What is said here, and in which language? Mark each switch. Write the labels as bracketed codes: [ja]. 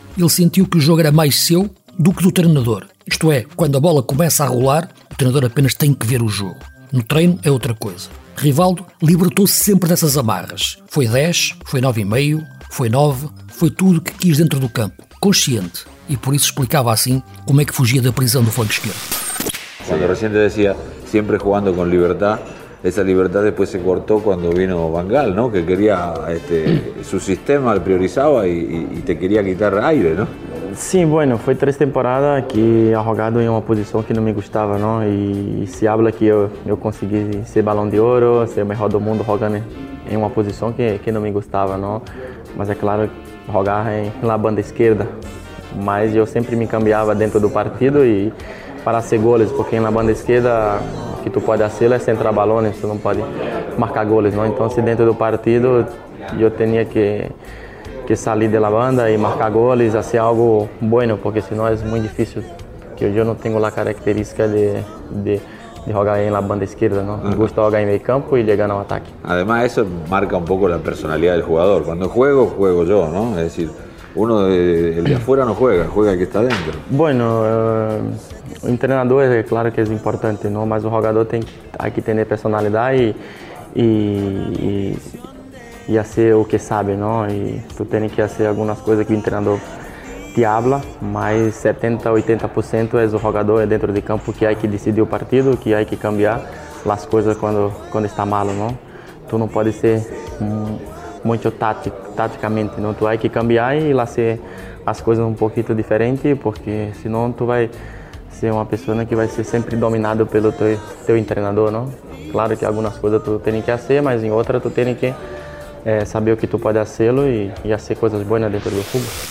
[pt] Ele sentiu que o jogo era mais seu do que do treinador. Isto é, quando a bola começa a rolar, o treinador apenas tem que ver o jogo. No treino é outra coisa. Rivaldo libertou-se sempre dessas amarras. Foi 10, foi 9,5, foi 9, foi tudo o que quis dentro do campo. Consciente. E por isso explicava assim como é que fugia da prisão do flanco esquerdo. [es] Cuando recién te decía, siempre jugando con libertad, esa libertad después se cortó cuando vino Van Gaal, ¿no? Que quería, su sistema lo priorizaba y te quería quitar aire, ¿no? Sí, bueno, fue tres temporadas que he jugado en una posición que no me gustaba, ¿no? Y se habla que yo conseguí ser Balón de Oro, ser el mejor del mundo jugando en una posición que no me gustaba, ¿no? Mas es claro, jugar en la banda izquierda. Mas yo siempre me cambiaba dentro del partido y para hacer goles, [pt] porque na banda esquerda o que tu pode fazer é centrar balões, tu não pode marcar goles, não? Então se dentro do partido eu tinha que sair da banda e marcar goles, fazer [es] algo bueno, [pt] porque senão é muito difícil, que eu não tenho a característica de jogar na banda esquerda, não? [es] Me gusta [pt] jogar em meio campo e chegar no ataque. Además, isso marca um pouco a personalidade do jogador. Quando jogo, jogo eu, não? [es] É decir, uno el de afuera no juega, juega el que está dentro. Bueno, el entrenador es claro que es importante, ¿no? Mas el jugador hay que tener personalidad y hacer lo que sabe, ¿no? Y tú tienes que hacer algunas cosas que el entrenador te habla, mas 70-80% es el jugador dentro del campo que hay que decidir el partido, que hay que cambiar las cosas cuando está malo, ¿no? Tú no puedes ser [pt] muito taticamente, não? Tu vai que cambiar e lá ser as coisas um pouquinho diferente, porque senão tu vai ser uma pessoa que vai ser sempre dominada pelo teu treinador, não? Claro que algumas coisas tu tem que fazer, mas em outras tu tem que saber o que tu pode fazê-lo e fazer coisas boas dentro do clube.